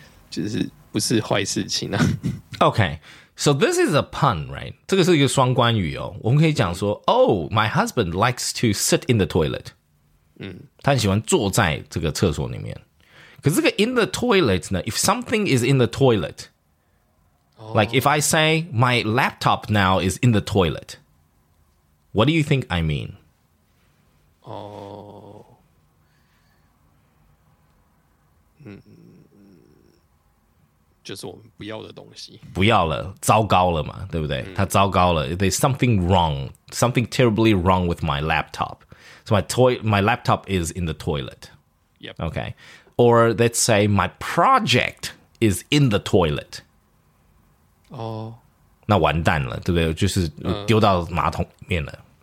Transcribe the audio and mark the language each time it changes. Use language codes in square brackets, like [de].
[zh] 就是不是坏事情啊 [en] ？OK。 So this is a pun, right? [zh] 这个是一个双关语哦。我们可以讲说 [en] ，Oh, my husband likes to sit in the toilet. 嗯， [zh] 他很喜欢坐在这个厕所里面。可是这个 [en] in the toilet [zh] 呢 [en] ？If something is in the toilet,、哦、 like if I say my laptop now is in the toilet, what do you think I mean? [zh] 哦，就是我们不要的东西，不要了，糟糕了嘛，对不对？它糟糕了。 [en] There's something wrong, something terribly wrong with my laptop. So my laptop is in the toilet. Yep. Okay. Or let's say my project is in the toilet. Oh. [zh] 那完蛋了，对不对？就是丢到马桶里面了。